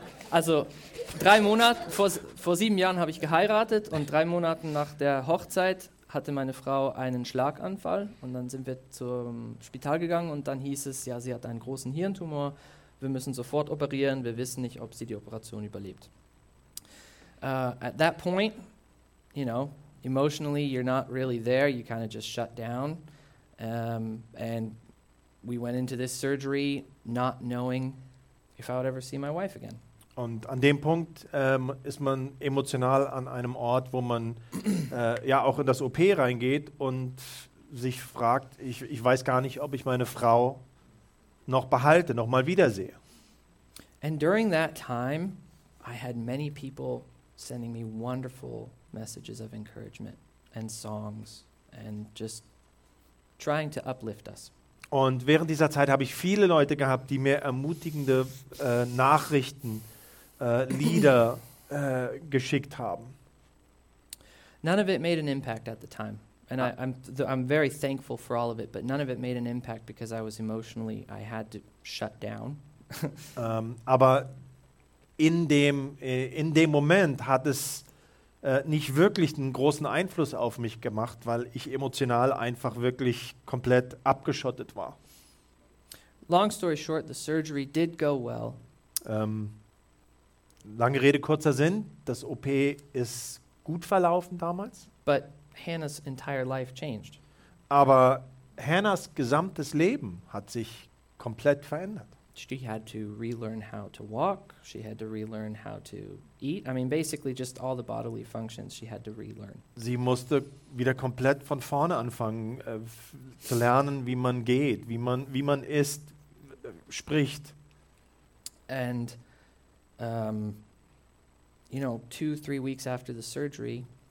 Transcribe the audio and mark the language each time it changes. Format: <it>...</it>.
<de>Also 3 Monate, vor 7 Jahren habe ich geheiratet und 3 Monate nach der Hochzeit hatte meine Frau einen Schlaganfall und dann sind wir zum Spital gegangen und dann hieß es, ja, sie hat einen großen Hirntumor, wir müssen sofort operieren, wir wissen nicht, ob sie die Operation überlebt.</de> <en>At that point, you know, emotionally you're not really there, you kind of just shut down, and we went into this surgery not knowing if I would ever see my wife again.</en> <de>Und an dem Punkt ist man emotional an einem Ort, wo man auch in das OP reingeht und sich fragt, ich weiß gar nicht, ob ich meine Frau noch behalte, noch mal wiedersehe.</de> <en>And during that time, I had many people sending me wonderful messages of encouragement and songs and just trying to uplift us.</en> <de>Und während dieser Zeit habe ich viele Leute gehabt, die mir ermutigende Nachrichten, Lieder geschickt haben.</de> <en>None of it made an impact at the time. And I'm very thankful for all of it, but none of it made an impact because I was emotionally, I had to shut down.</en> <de>Aber in dem Moment hat es nicht wirklich einen großen Einfluss auf mich gemacht, weil ich emotional einfach wirklich komplett abgeschottet war.</de> <en>Long story short, the surgery did go well.</en> <de>Lange Rede, kurzer Sinn, das OP ist gut verlaufen damals.</de> <en>But Hannah's entire life changed.</en> <de>Aber Hannahs gesamtes Leben hat sich komplett verändert.</de> <en>She had to relearn how to walk. She had to relearn how to eat. I mean, basically just all the bodily functions she had to relearn.</en> <de>Sie musste wieder komplett von vorne anfangen zu lernen, wie man geht, wie man isst, spricht.</de> <en>And, you know, 2-3 weeks after the surgery.</en>